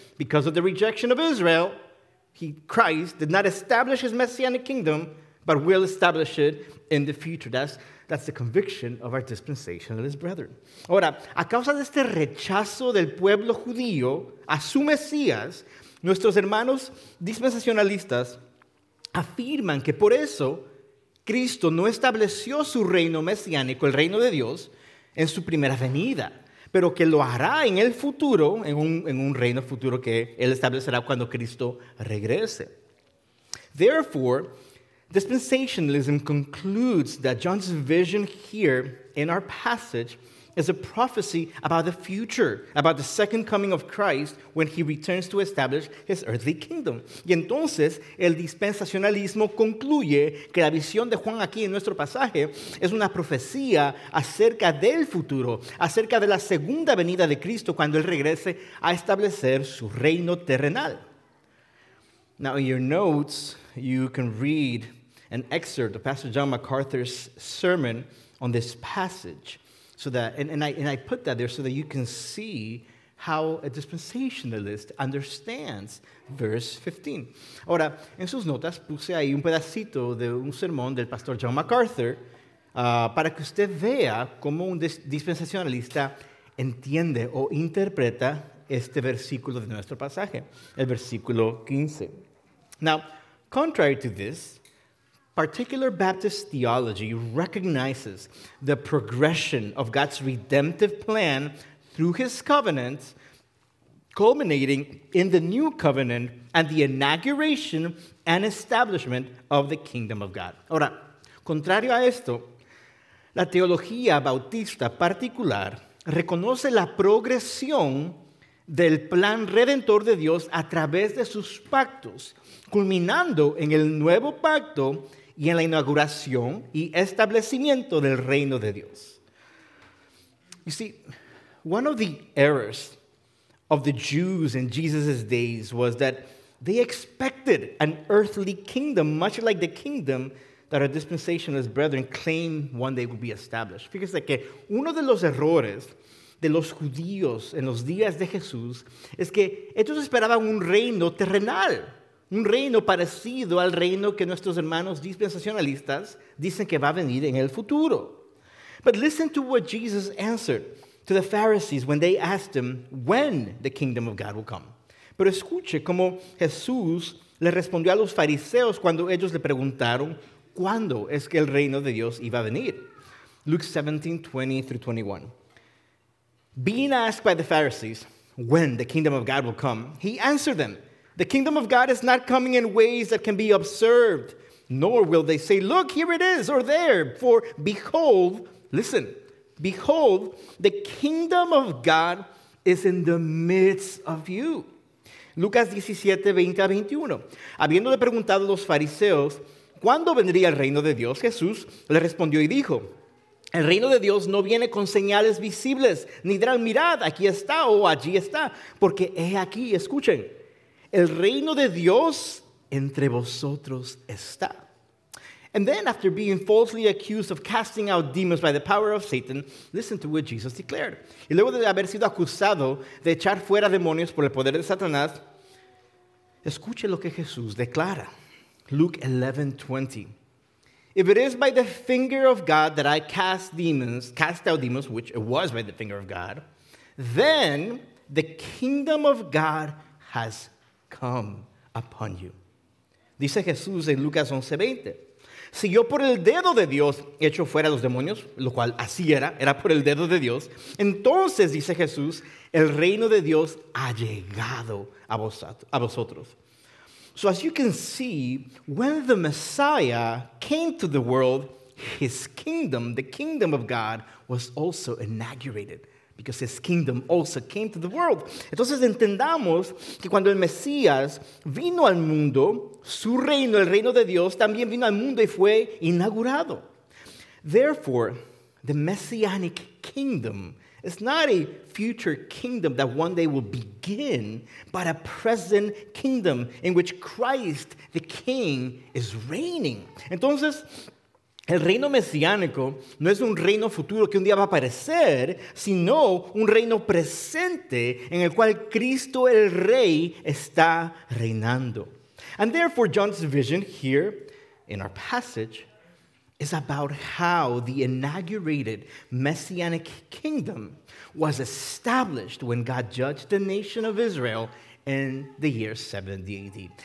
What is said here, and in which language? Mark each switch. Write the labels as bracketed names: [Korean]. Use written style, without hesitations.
[English] Because of the rejection of Israel, Christ did not establish his messianic kingdom, but will establish it in the future. That's the conviction of our dispensationalist brethren. [Spanish] Ahora, a causa de este rechazo del pueblo judío a su Mesías, nuestros hermanos dispensacionalistas afirman que por eso Cristo no estableció su reino mesiánico, el reino de Dios, en su primera venida, pero que lo hará en el futuro, en un reino futuro que él establecerá cuando Cristo regrese. [English] Therefore, dispensationalism concludes that John's vision here in our passage is a prophecy about the future, about the second coming of Christ when he returns to establish his earthly kingdom. [Spanish] Y entonces, el dispensacionalismo concluye que la visión de Juan aquí en nuestro pasaje es una profecía acerca del futuro, acerca de la segunda venida de Cristo cuando él regrese a establecer su reino terrenal. [English] Now, in your notes, you can read an excerpt of Pastor John MacArthur's sermon on this passage. So that, and I put that there so that you can see how a dispensationalist understands verse 15. [Spanish] Ahora, en sus notas puse ahí un pedacito de un sermón del pastor John MacArthur para que usted vea cómo un dispensacionalista entiende o interpreta este versículo de nuestro pasaje, el versículo 15. [English] Now, contrary to this, particular Baptist theology recognizes the progression of God's redemptive plan through his covenant, culminating in the new covenant and the inauguration and establishment of the kingdom of God. [Spanish] Ahora, contrario a esto, la teología bautista particular reconoce la progresión del plan redentor de Dios a través de sus pactos, culminando en el nuevo pacto y en la inauguración y establecimiento del reino de Dios. [English] You see, one of the errors of the Jews in Jesus' days was that they expected an earthly kingdom, much like the kingdom that our dispensationalist brethren claim one day would be established. [Spanish] Fíjese que uno de los errores de los judíos en los días de Jesús es que ellos esperaban un reino terrenal. Un reino parecido al reino que nuestros hermanos dispensacionalistas dicen que va a venir en el futuro. [English] But listen to what Jesus answered to the Pharisees when they asked him when the kingdom of God will come. [Spanish] Pero escuche cómo Jesús le respondió a los fariseos cuando ellos le preguntaron cuándo es que el reino de Dios iba a venir. [English] Luke 17:20-21. Being asked by the Pharisees when the kingdom of God will come, he answered them, "The kingdom of God is not coming in ways that can be observed, nor will they say, 'Look, here it is,' or 'There.' For behold," listen, "behold, the kingdom of God is in the midst of you." [Spanish] Lucas 17:20-21. Habiéndole preguntado a los fariseos, ¿cuándo vendría el reino de Dios? Jesús le respondió y dijo, "El reino de Dios no viene con señales visibles, ni dirán, 'Mirad, aquí está,' o 'Allí está,' porque he aquí," escuchen, "el reino de Dios entre vosotros está." [English] And then after being falsely accused of casting out demons by the power of Satan, listen to what Jesus declared. [Spanish] Y luego de haber sido acusado de echar fuera demonios por el poder de Satanás, escuche lo que Jesús declara. [English] Luke 11:20. "If it is by the finger of God that I cast out demons, which it was by the finger of God, then the kingdom of God has come upon you." [Spanish] Dice Jesús en Lucas 11:20. "Si yo por el dedo de Dios echo fuera los demonios," lo cual así era por el dedo de Dios, "entonces," dice Jesús, "el reino de Dios ha llegado a vosotros. [English] So as you can see, when the Messiah came to the world, his kingdom, the kingdom of God, was also inaugurated, because his kingdom also came to the world. [Spanish] Entonces entendamos que cuando el Mesías vino al mundo, su reino, el reino de Dios, también vino al mundo y fue inaugurado. [English] Therefore, the messianic kingdom is not a future kingdom that one day will begin, but a present kingdom in which Christ, the King, is reigning. [Spanish] Entonces, el reino mesiánico no es un reino futuro que un día va a aparecer, sino un reino presente en el cual Cristo el Rey está reinando. [English] And therefore, John's vision here in our passage is about how the inaugurated messianic kingdom was established when God judged the nation of Israel in the year 70 AD.